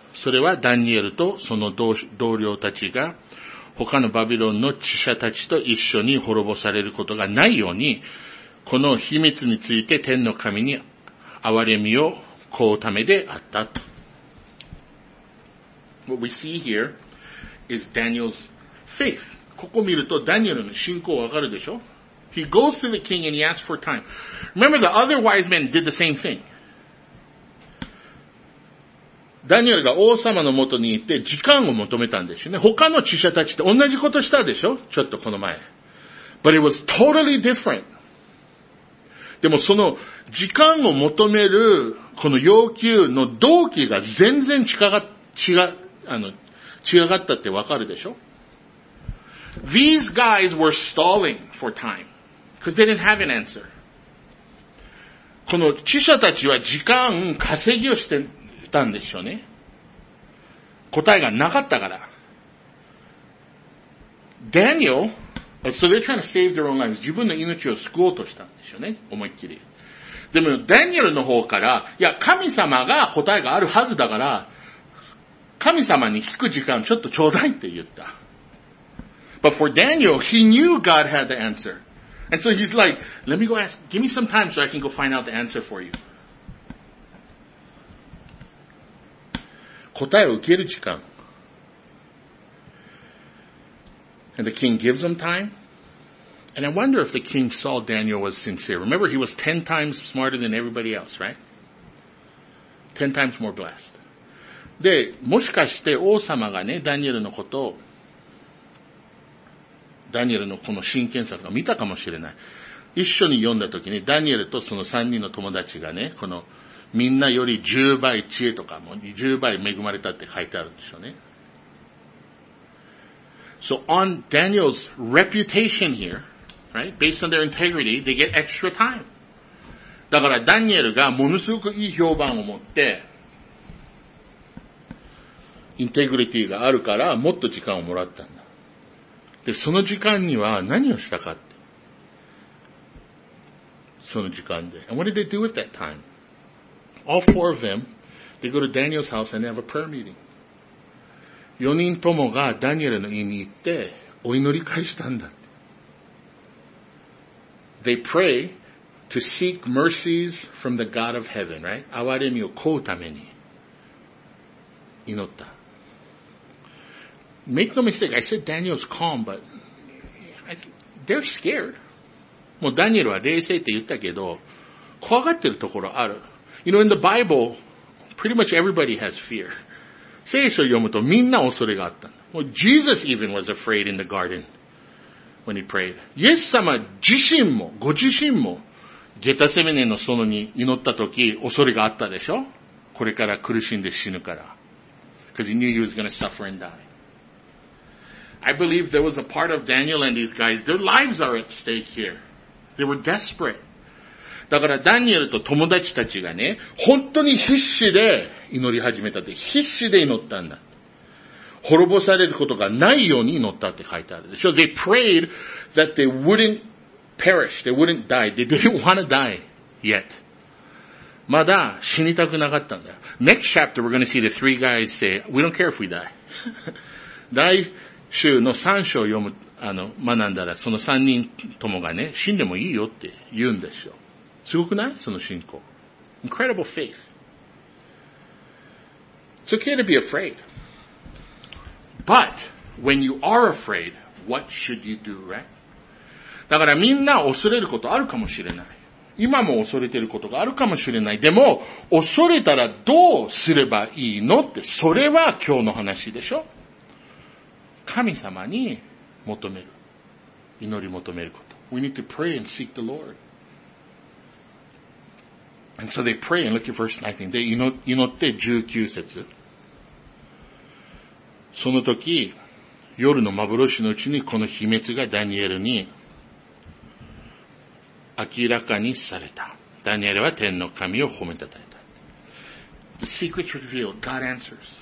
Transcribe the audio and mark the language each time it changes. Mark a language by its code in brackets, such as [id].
[ja] それはダニエルとその同僚たちが、他のバビロンの知者たちと一緒に滅ぼされることがないように、この秘密について天の神に憐れみを請うためであったと。 [en] What we see here is Daniel's faith. [ja] ここ見るとダニエルの信仰わかるでしょ? [en] He goes to the king and he asks for time. Remember the other wise men did the same thing. [ja] ダニエルが王様の元に行って時間を求めたんですよね。他の知者たちと同じことしたでしょ? ちょっとこの前。 [en] But it was totally different. [ja] でもその時間を求めるこの要求の動機が全然違ったってわかるでしょ? [en] These guys were stalling for time. Because they didn't have an answer. [ja] この知者たちは時間稼ぎをして、たんでしょうね。答えがなかったから。 [en] Daniel, so they're trying to save their own lives. [ja] 自分の命を救おうとしたんでしょうね。思いっきり。でも、ダニエルの方から、いや、神様が答えがあるはずだから、神様に聞く時間ちょっとちょうだいって言った。 [en] But for Daniel, he knew God had the answer. And so he's like, let me go ask, give me some time so I can go find out the answer for you. [ja] 答えを受ける時間。 [en] And the king gives him time. And I wonder if the king saw Daniel was sincere. Remember, he was 10 times smarter than everybody else, right? 10 times more blessed. [ja] で、もしかして王様がね、ダニエルのことを、ダニエルのこの真剣さとか見たかもしれない。一緒に読んだ時に、ダニエルとその3人の友達がね、この、みんなより10倍知恵とかも10倍恵まれたって書いてあるんでしょうね。 [en] So on Daniel's reputation here, right, based on their integrity, they get extra time. [ja] だからダニエルがものすごくいい評判を持って、インテグリティがあるからもっと時間をもらったんだ。で、その時間には何をしたかって。その時間で。 [en] And what did they do with that time? All four of them, they go to Daniel's house and they have a prayer meeting. [ja] 4人ともがダニエルの家に行ってお祈り会したんだ。 [en] They pray to seek mercies from the God of heaven, right? [ja] 憐れみを請うために祈った。 [en] Make no mistake, I said Daniel's calm, but they're scared. [ja] もうダニエルは冷静って言ったけど、怖がってるところある。 [en] You know, in the Bible, pretty much everybody has fear. [ja] 聖書読むとみんな恐れがあった。 [en] Well, Jesus even was afraid in the garden when he prayed. [ja] イエス様自身も、ご自身も、ゲタセメネの園に祈った時、恐れがあったでしょ? これから苦しんで死ぬから。 [en] Because he knew he was going to suffer and die. I believe there was a part of Daniel and these guys, their lives are at stake here. They were desperate. [ja] だからダニエルと友達たちがね、本当に必死で祈り始めたって、必死で祈ったんだ。滅ぼされることがないように祈ったって書いてあるでしょ。 They prayed that they wouldn't perish, they wouldn't die, they didn't want to die yet. まだ死にたくなかったんだよ。 [en] Next chapter we're going to see the three guys say, we don't care if we die. [ja] 来週の3章を読む、学んだら、その3人ともがね、死んでもいいよって言うんですよ。すごくない?その信仰。 [en] Incredible faith. It's okay to be afraid. But, when you are afraid, what should you do, right? [ja] だからみんな恐れることあるかもしれない。今も恐れてることがあるかもしれない。でも、恐れたらどうすればいいのって、それは今日の話でしょ? 神様に求める。祈り求めること。 [en] We need to pray and seek the Lord. And so they pray and look at verse 19. [ja] で、祈って19節。その時、夜の幻のうちにこの秘密がダニエルに明らかにされた。ダニエルは天の神を褒めたたえた。 [en] The secrets revealed, God answers.